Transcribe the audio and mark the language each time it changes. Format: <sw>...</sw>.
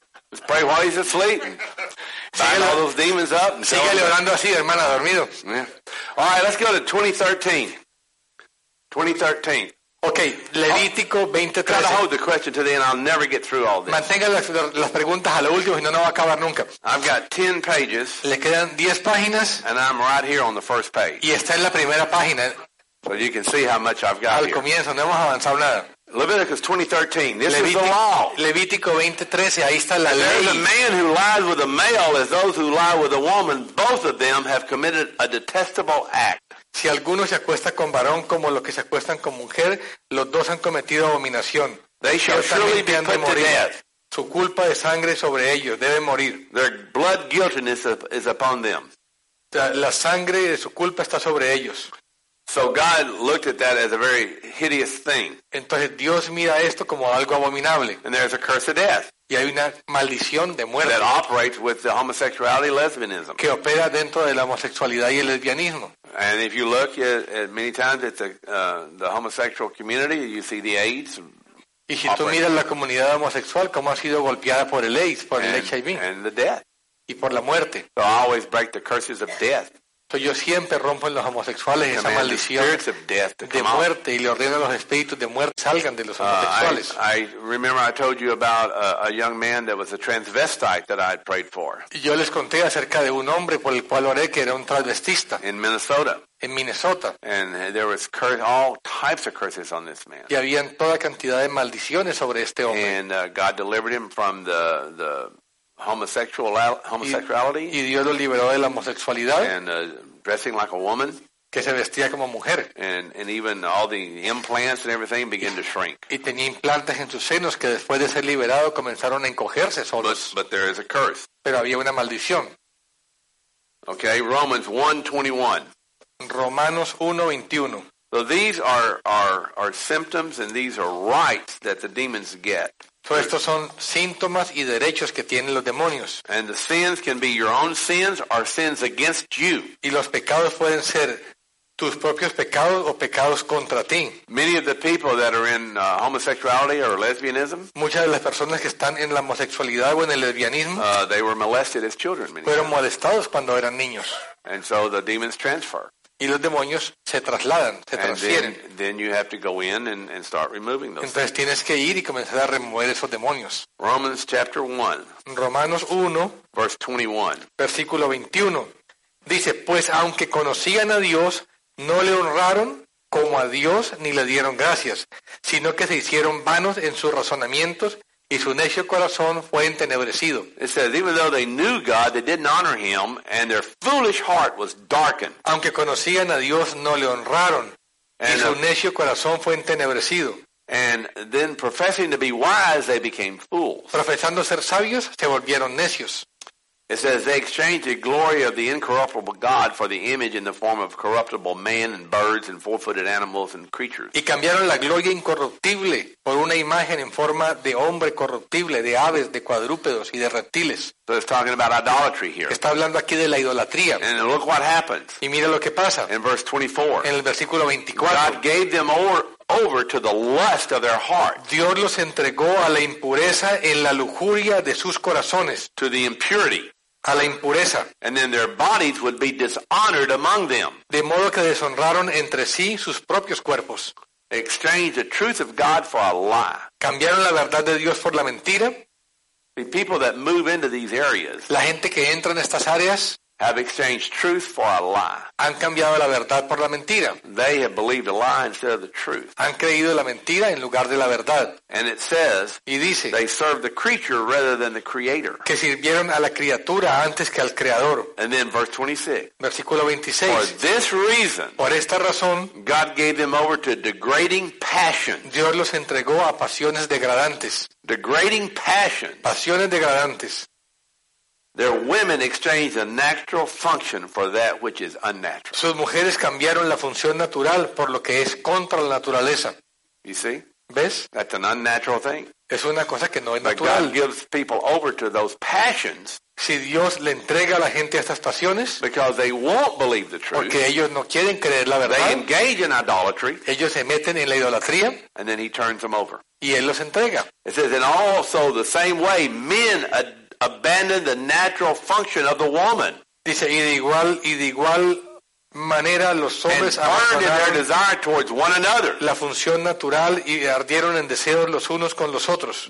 <en>Just pray while he's asleep. Bind all those demons up.</en> <es>Sigue llorando así, hermana, dormido.</es> <en>Yeah. All right, let's go to 2013.</en> <es>Okay, Levítico 20:13.</es> <en>Try to hold the question to the end. I'll never get through all this.</en> <es>Mantenga las preguntas a lo último, si no, no va a acabar nunca.</es> <en>I've got 10 pages.</en> <es>Le quedan 10 páginas.</es> <en>And I'm right here on the first page.</en> <es>Y está en la primera página.</es> <en>So you can see how much I've got</en> <es>al comienzo,</es> <en>here.</en> <es>No hemos avanzado nada.</es> <en>Leviticus 20:13. This is the law.</en> <es>Levítico 20:13. Ahí está la</es> <en>and</en> <es>ley.</es> <en>There's a man who lies with a male as those who lie with a woman. Both of them have committed a detestable act.</en> <es>Si alguno se acuesta con varón como los que se acuestan con mujer, los dos han cometido abominación.</es> <en>They shall surely be put to death.</en> <es>Su culpa de sangre sobre ellos. Deben morir.</es> <en>Their blood guiltiness is upon them.</en> <es>La sangre de su culpa está sobre ellos.</es> <en>So God looked at that as a very hideous thing.</en> <es>Entonces Dios mira esto como algo abominable.</es> <en>And there's a curse of death.</en> <es>Y hay una maldición de muerte.</es> <en>That operates with the homosexuality and lesbianism.</en> <es>Que opera dentro de la homosexualidad y el lesbianismo.</es> <en>And if you look at many times at the homosexual community, you see the AIDS.</en> <es>Y si tú miras la comunidad homosexual, cómo ha sido golpeada por el AIDS, por el HIV.</es> <en>And the death.</en> <es>Y por la muerte.</es> <en>So I always break the curses of death.</en> <es>Yo siempre rompo en los homosexuales esa maldición de muerte y le ordeno a los espíritus de muerte salgan de los homosexuales.</es> <en>I remember I told you about a young man that was a transvestite that I had prayed for.</en> <es>Yo les conté acerca de un hombre por el cual oré que era un transvestista.</es> <en>In Minnesota.</en> <es>En Minnesota.</es> <en>And there was all types of curses on this man.</en> <es>Y habían toda cantidad de maldiciones sobre este hombre.</es> <en>And God delivered him from the homosexuality</en> <es>y Dios lo liberó de la homosexualidad,</es> <en>and dressing like a woman,</en> <es>que se vestía como mujer,</es> <en>and even all the implants and everything began to shrink.</en> <es>Y tenía implantes en sus senos que después de ser liberado comenzaron a encogerse solos.</es> <en>But there is a curse.</en> <es>Pero había una maldición.</es> <en>Okay, Romans 1:21.</en> <es>Romanos 1:21.</es> <en>So these are symptoms and these are rights that the demons get.</en> <es>So estos son síntomas y derechos que tienen los demonios.</es> <en>And the sins can be your own sins or sins against you.</en> <es>Y los pecados pueden ser tus propios pecados o pecados contra ti.</es> <en>Many of the people that are in homosexuality or lesbianism.</en> <es>Muchas de las personas que están en la homosexualidad o en el lesbianismo.</es> <en>They were molested as children. Many</en> <es>fueron molestados cuando eran niños.</es> <en>And so the demons transfer.</en> <es>Y los demonios se trasladan, se transfieren.</es> <en>Then you have to go in and start removing those.</en> <es>Entonces tienes que ir y comenzar a remover esos demonios.</es> <en>Romans chapter 1.</en> <es>Romanos 1.</es> <en>Verse 21.</en> <es>Versículo 21. Dice, pues aunque conocían a Dios, no le honraron como a Dios ni le dieron gracias, sino que se hicieron vanos en sus razonamientos y su necio corazón fue entenebrecido.</es> <en>It says, even though they knew God, they didn't honor him, and their foolish heart was darkened.</en> <es>Aunque conocían a Dios, no le honraron, y su necio corazón fue entenebrecido.</es> <en>And then professing to be wise, they became fools.</en> <es>Profesando ser sabios, se volvieron necios.</es> <en>It says, they exchanged the glory of the incorruptible God for the image in the form of corruptible man and birds and four-footed animals and creatures.</en> <es>Y cambiaron la gloria incorruptible por una imagen en forma de hombre corruptible, de aves, de cuadrúpedos y de reptiles.</es> <en>So it's talking about idolatry here.</en> <es>Está hablando aquí de la idolatría.</es> <en>And look what happens.</en> <es>Y mira lo que pasa.</es> <en>In verse 24.</en> <es>En el versículo 24.</es> <en>God gave them over to the lust of their heart.</en> <es>Dios los entregó a la impureza en la lujuria de sus corazones.</es> <en>To the impurity.</en> <es>A la impureza.</es> <en>And then their bodies would be dishonored among them.</en> <es>De modo que deshonraron entre sí sus propios cuerpos.</es> <en>Exchanged the truth of God for a lie.</en> <es>Cambiaron la verdad de Dios por la mentira.</es> <en>The people that move into these areas.</en> <es>La gente que entra en estas áreas.</es> <en>have exchanged truth for a lie.</en> <es>Han cambiado la verdad por la mentira.</es> <en>They have believed a lie instead of the truth.</en> <es>Han creído la mentira en lugar de la verdad.</es> <en>And it says,</en> <es>y dice,</es> <en>they served the creature rather than the creator.</en> <es>Que sirvieron a la criatura antes que al creador.</es> <en>And then verse 26.</en> <es>Versículo 26.</es> <en>For this reason,</en> <es>por esta razón,</es> <en>God gave them over to degrading passions.</en> <es>Dios los entregó a pasiones degradantes.</es> <en>Degrading passions.</en> <es>Pasiones degradantes.</es> <en>Their women exchanged a natural function for that which is unnatural.</en> <es>Sus mujeres cambiaron la función natural por lo que es contra la naturaleza.</es> <en>You see?</en> <es>¿Ves?</es> <en>That's an unnatural thing.</en> <es>Es una cosa que no es natural.</es> <en>But God gives people over to those passions.</en> <es>Si Dios le entrega a la gente estas pasiones,</es> <en>because they won't believe the truth,</en> <es>porque ellos no quieren creer la verdad,</es> <en>they engage in idolatry,</en> <es>ellos se meten en la idolatría,</es> <en>and then he turns them over.</en> <es>Y él los entrega.</es> <en>It says, and also the same way, men abandon the natural function of the woman.</en> <es>Dice, y de igual manera los hombres abandonaron la función natural y ardieron en deseos los unos con los otros.</es>